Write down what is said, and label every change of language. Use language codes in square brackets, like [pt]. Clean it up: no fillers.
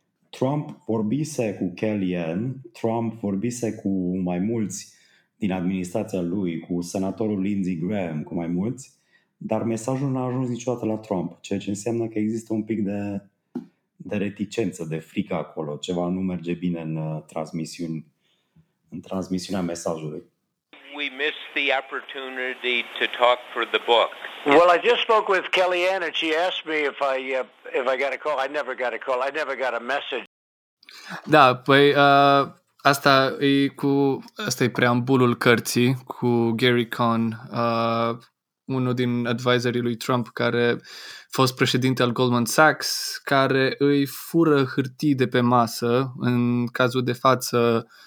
[ro] Trump vorbise cu Kellyanne, Trump vorbise cu mai mulți din administrația lui, cu senatorul Lindsey Graham, cu mai mulți, dar mesajul n-a ajuns niciodată la Trump, ceea ce înseamnă că există un pic de reticență, de frică acolo, ceva nu merge bine în transmisiunea mesajului. [en] We missed the opportunity to talk for the book. Well, I just spoke with Kellyanne and she asked me if I got a call. I never got a call. I never got a message. [ro] Da, păi asta e preambulul cărții cu Gary Cohn, unul din advisorii lui Trump, care a fost președinte al Goldman Sachs, care îi fură hârtii de pe masă în cazul de față.